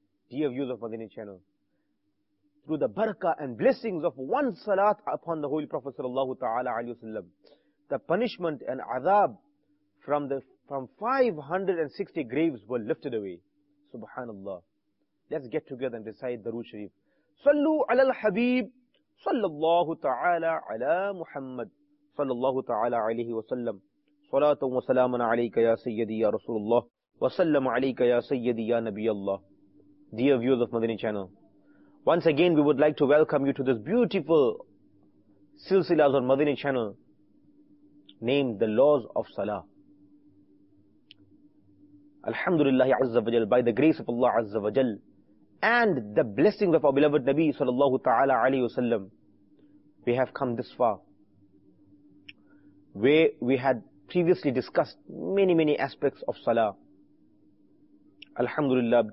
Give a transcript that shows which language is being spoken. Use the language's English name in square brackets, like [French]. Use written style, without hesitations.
[English] Dear viewers of Madinah channel, through the barakah and blessings of one salat upon the Holy Prophet sallallahu ta'ala alayhi wasallam, the punishment and azab from 560 graves were lifted away. Subhanallah. Let's get together and recite Darood Sharif. [Arabic] Sallu ala al-habib sallallahu ta'ala ala Muhammad صلى الله تعالى عليه وسلم صلاة وسلام عليك يا سيدي يا رسول الله وسلم عليك يا سيدي يا نبي الله. [English] Dear viewers of Madani channel, once again we would like to welcome you to this beautiful silsilas on Madani channel named The Laws of Salah. Alhamdulillah Azza wa Jal, by the grace of Allah Azza wa Jal and the blessings of our beloved Nabi [Arabic] صلى الله تعالى عليه وسلم, [English] we have come this far, where we had previously discussed many, many aspects of Salah. Alhamdulillah.